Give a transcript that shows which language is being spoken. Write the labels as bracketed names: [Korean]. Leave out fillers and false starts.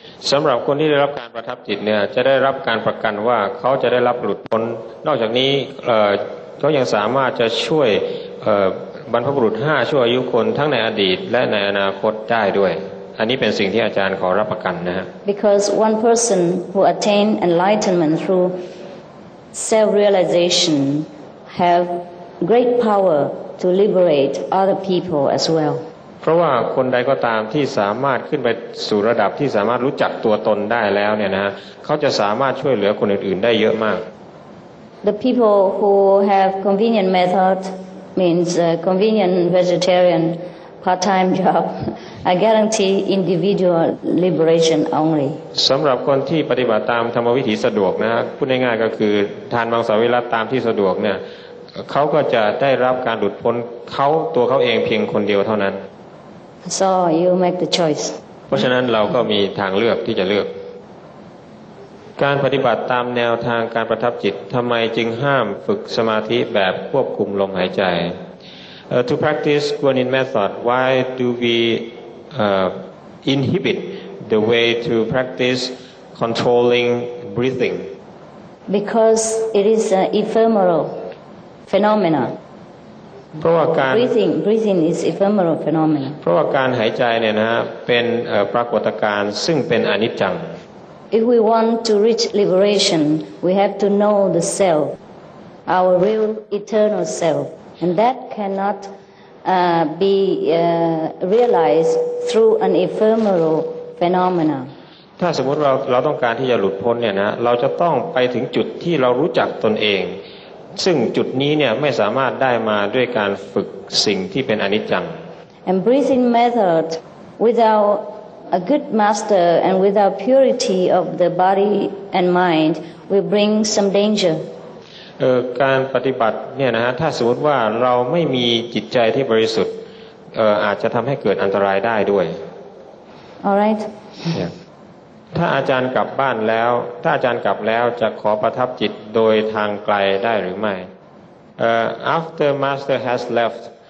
[Thai] สำหรับคนที่ได้รับการประทับจิตเนี่ยจะได้รับการประกันว่าเขาจะได้รับหลุดพ้นนอกจากนี้เขายังสามารถจะช่วยบรรพบุรุษ5ชั่วอายุคนทั้งในอดีตและในอนาคตได้ด้วยอันนี้เป็นสิ่งที่อาจารย์ขอรับประกันนะฮะ [English] Because one person who attained enlightenment through self-realization have great power to liberate other people as well [Thai] เพราะว่าคนใดก็ตามที่สามารถขึ้นไปสู่ระดับที่สามารถรู้จักตัวตนได้แล้วเนี่ยนะเขาจะสามารถช่วยเหลือคนอื่นๆได้เยอะมาก [English] The people who have convenient methodMeans a convenient vegetarian part-time job. I guarantee individual liberation only. [Thai] สำหรับคนที่ปฏิบัติตามธรรมวิถีสะดวกนะครับพูดง่ายๆก็คือทานมังสวิรัติตามที่สะดวกเนี่ยเขาก็จะได้รับการหลุดพ้นเขาตัวเขาเองเพียงคนเดียวเท่านั้น [English] So you make the choice. [Thai] เพราะฉะนั้นเราก็มีทางเลือกที่จะเลือกการปฏิบัติตามแนวทางการประทับจิตทำไมจึงห้ามฝึกสมาธิแบบควบคุมลมหายใจ [English] To practice Guanyin method, why do we inhibit the way to practice controlling breathing? Because it is an ephemeral phenomenon. [Thai] เพราะว่าการ [English] breathing is ephemeral phenomenon. [Thai] เพราะว่าการหายใจเนี่ยนะฮะเป็นปรากฏการณ์ซึ่งเป็นอนิจจัง [English] If we want to reach liberation, we have to know the self, our real eternal self, and that cannot be realized through an ephemeral phenomena. [Thai] ถ้าสมมติเราต้องการที่จะหลุดพ้นเนี่ยนะเราจะต้องไปถึงจุดที่เรารู้จักตนเองซึ่งจุดนี้เนี่ยไม่สามารถได้มาด้วยการฝึกสิ่งที่เป็นอนิจจัง [English] And breathing method withoutA good master and without purity of the body and mind will bring some danger. [Thai] การปฏิบัติเนี่ยนะฮะถ้าสมมติว่าเราไม่มีจิตใจที่บริสุทธิ์อาจจะทำให้เกิดอันตรายได้ด้วย [English] All right. [Thai] ถ้าอาจารย์กลับบ้านแล้วถ้าอาจารย์กลับแล้วจะขอประทับจิตโดยทางไกลได้หรือไม่ [English] After master has left.